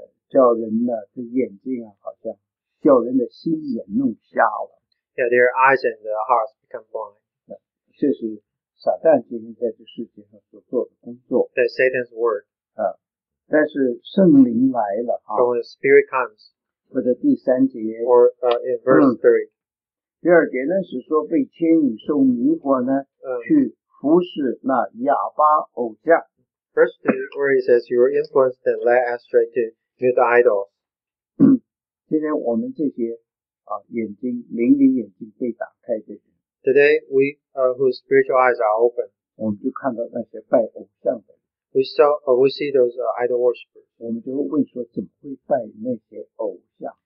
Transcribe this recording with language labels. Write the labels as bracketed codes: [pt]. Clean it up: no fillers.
[zh] 叫人的这眼睛啊，好像叫人的心眼弄瞎了。 [en] Yeah, their eyes and their hearts become blind. [zh] 这是撒旦今天在这世界上所做的工作。 [en] That's Satan's work. [zh] 啊，但是圣灵来了啊。 [en] So when the Spirit comes. [zh] 或者第三节。 [en] Or in verse 3. [zh] 第二节呢是说被牵引受迷惑呢，去服侍那亚巴偶像。 [en] First 2, where he says you were influenced and led astray to. With the idols. [zh] 今天我们这些啊眼睛灵里眼睛被打开的人。 [en] Today we whose spiritual eyes are open. [zh] 我们就看到那些拜偶像的。 [en] We see those idol worshippers. [zh] 我们就会问说怎么会拜那些偶像。